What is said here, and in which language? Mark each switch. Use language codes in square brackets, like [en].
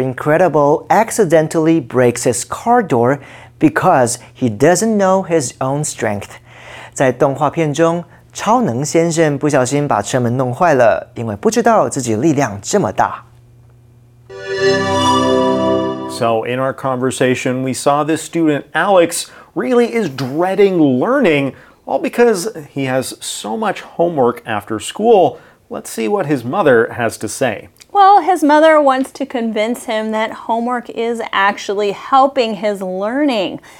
[en] Incredible accidentally breaks his car door because he doesn't know his own strength。 [zh] 在动画片中，超能先生不小心把车门弄坏了，因为不知道自己力量这么大。 [en] So in our conversation, we saw this student Alex really is dreading learning, all because he has so much homework after school. Let's see what his mother has to say. Well, his mother wants to convince him that homework is actually helping his learning.